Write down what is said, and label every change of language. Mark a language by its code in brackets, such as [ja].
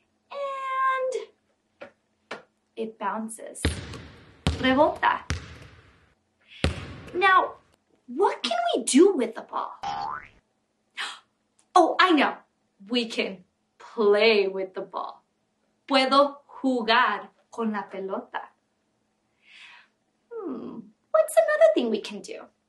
[en] And it bounces. [es] Rebota. [en] Now, what can we do with the ball? Oh, I know. We can play with the ball. [es] Puedo jugar con la pelota. [en] What's another thing we can do?